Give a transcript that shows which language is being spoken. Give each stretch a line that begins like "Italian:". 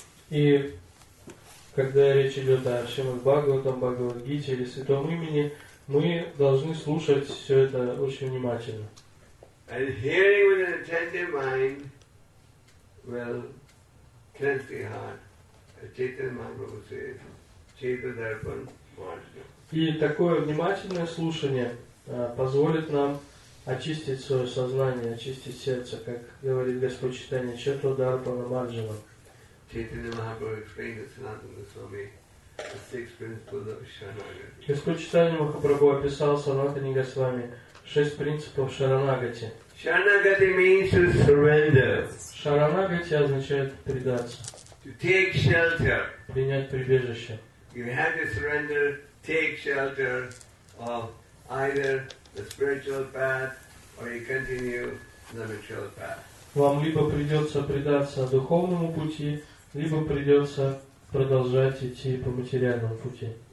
Russian: И когда речь идет о Шримад-Бхагаватам, Бхагавад-гите или Святом имени, мы должны слушать все это очень внимательно.
English: And hearing with an attentive mind will cleanse the heart. Chaitanya Mahaprabhu says, Chaita Darpan Marjana.
Russian: И такое внимательное слушание позволит нам очистить свое сознание, очистить сердце, как говорит Господь Чайтанья, Чайта Дарпана Марджана.
English: Chaitanya Mahaprabhu explained to Sanatana Goswami the six principles of Sharanagati.
Russian: Господь Чайтанья Махапрабху описал Санатане Госвами шесть принципов Шаранагати.
English: Шаранагати means to surrender.
Russian: Шаранагати означает предаться.
English: To take shelter.
Russian: Принять прибежище.
English: You have to surrender, take shelter of either the spiritual path or you continue the material path.
Russian: Вам либо придется предаться духовному пути, либо придется продолжать идти по материальному пути.